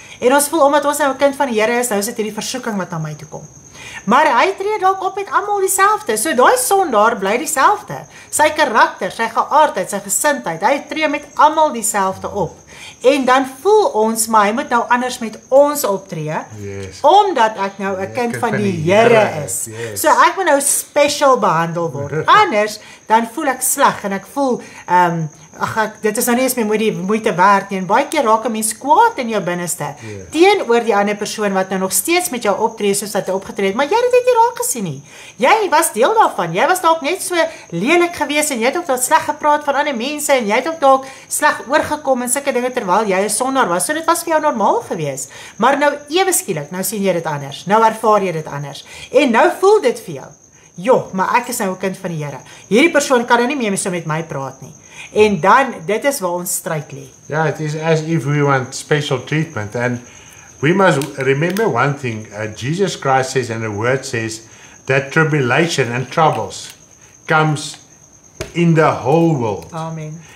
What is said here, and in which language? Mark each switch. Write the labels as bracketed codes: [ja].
[af] En ons voel, omdat ons nou 'n kind van die Here is, nou is dit hierdie versoeking wat na my toe kom. Maar hy tree dalk op met almal dieselfde. So daai sondaar bly dieselfde. Sy karakter, sy geaardheid, sy gesindheid, hy tree met almal dieselfde op. En dan voel ons, maar hy moet nou anders met ons optree. [en] Yes. [af] Omdat ek nou 'n kind van die Here is. [en] Yes. [af] So ek moet nou special behandel word. Anders, dan voel ek sleg en ek voel, dit is nou nie eens meer moeite werd nie. En baie keer raak 'n mens kwaad in jou binneste. [en] Yes. [af] Teenoor die ander persoon wat nou nog steeds met jou optree soos dat hy opgetree het. Maar jy het nie raak gesien nie. Jy was deel daarvan. Jy was dalk net so lelik gewees en jy het ook dalk sleg gepraat van ander mense en jy het ook dalk sleg oorgekom en sulke dinge terwyl jy 'n sondaar was. So dit was vir jou normaal gewees. Maar nou ewe skielik, nou sien jy dit anders. Nou ervaar jy dit anders. En nou voel dit vir jou. Jo, maar ek is nou 'n kind van die Here. Hierdie persoon kan nou nie meer so met my praat nie. En dan, dit is waar ons stryd lê. [en] Ja, it is as if we want special treatment. And we must remember one thing. Jesus Christ says, and the word says, that tribulation and troubles comes in the whole world. Amen.